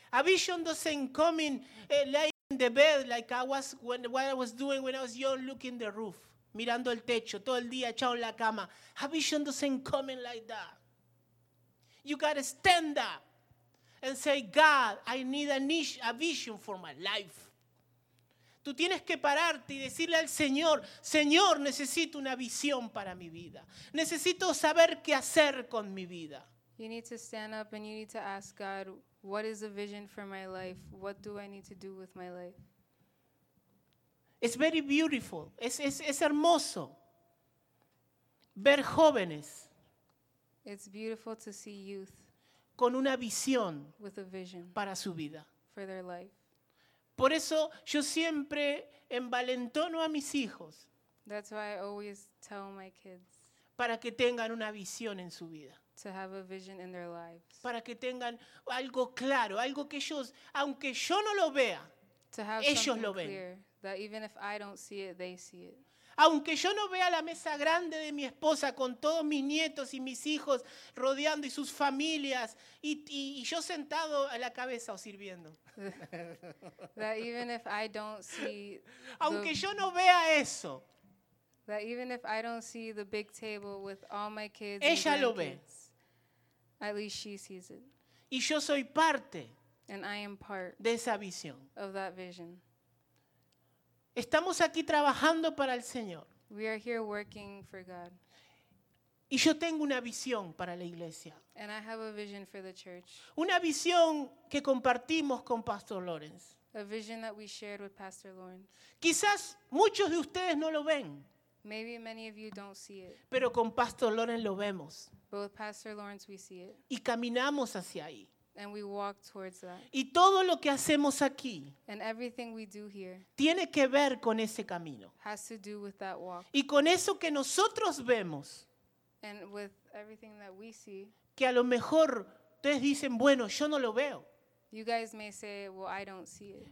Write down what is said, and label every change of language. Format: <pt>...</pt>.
<en>A vision doesn't come in lying in the bed like I was when what I was doing when I was young, looking the roof,</en> <es>mirando el techo, todo el día echado en la cama.</es> <en>A vision doesn't come in like that. You gotta stand up and say, God, I need a vision for my life.</en> <es>Tú tienes que pararte y decirle al Señor, Señor, necesito una visión para mi vida. Necesito saber qué hacer con mi vida.</es> <en>You need to stand up and you need to ask God, what is the vision for my life? What do I need to do with my life? It's very beautiful.</en> <es>Es hermoso ver jóvenes.</es> <en>It's beautiful to see youth</en> <es>con una visión</es> <en>with a vision</en> <es>para su vida.</es> <en>For their life.</en> <es>Por eso yo siempre envalentono a mis hijos.</es> <en>That's why I always tell my kids.</en> <es>Para que tengan una visión en su vida.</es> <en>To have a vision in their lives.</en> <es>Para que tengan algo claro, algo que ellos, aunque yo no lo vea,</es> <en>to have</en> <es>ellos lo ven.</es> <en>Clear, that even if I don't see it, they see it.</en> <es>Aunque yo no vea la mesa grande de mi esposa con todos mis nietos y mis hijos rodeando y sus familias y yo sentado a la cabeza o sirviendo.</es> <en>That even if I don't see</en> <es>aunque yo no vea eso.</es> <en>That even if I don't see the big table with all my kids.</en> <es>Ella lo ve.</es> <en>At least she sees it.</en> <es>Y yo soy parte.</es> <en>And I am part</en> <es>de esa visión.</es> <en>Of that vision.</en> <es>Estamos aquí trabajando para el Señor.</es> <en>We are here working for God.</en> <es>Y yo tengo una visión para la iglesia.</es> <en>And I have a vision for the church.</en> <es>Una visión que compartimos con Pastor Lawrence.</es> <en>A vision that we shared with Pastor Lawrence.</en> <es>Quizás muchos de ustedes no lo ven.</es> <en>Maybe many of you don't see it.</en> <es>Pero con Pastor Lawrence lo vemos.</es> <en>But with Pastor Lawrence we see it.</en> <es>Y caminamos hacia ahí.</es> <en>And we walk towards that.</en> <es>Y todo lo que hacemos aquí</es> <en>and everything we do here</en> <es>tiene que ver con ese camino.</es> <en>Has to do with that walk.</en> <es>Y con eso que nosotros vemos</es> <en>and with everything that we see,</en> <es>que a lo mejor ustedes dicen, bueno, yo no lo veo.</es> <en>You guys may say, well, I don't see it.</en>